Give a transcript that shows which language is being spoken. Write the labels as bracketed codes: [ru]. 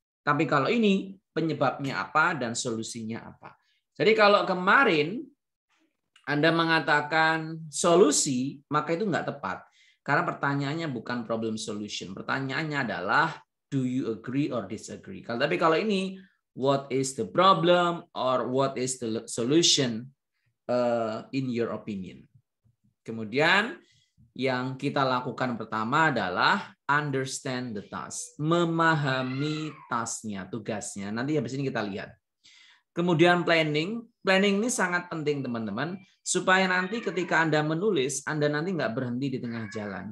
[id] Tapi kalau ini penyebabnya apa dan solusinya apa. Jadi kalau kemarin Anda mengatakan solusi, maka itu nggak tepat. Karena pertanyaannya bukan [en] problem solution. [id] Pertanyaannya adalah [en] do you agree or disagree? [id] Tapi kalau ini [en] what is the problem or what is the solution in your opinion? [id] Kemudian yang kita lakukan pertama adalah [en] understand the task. [id] Memahami task-nya, tugasnya. Nanti habis ini kita lihat. Kemudian planning. Planning ini sangat penting, teman-teman. Supaya nanti ketika Anda menulis, Anda nanti nggak berhenti di tengah jalan.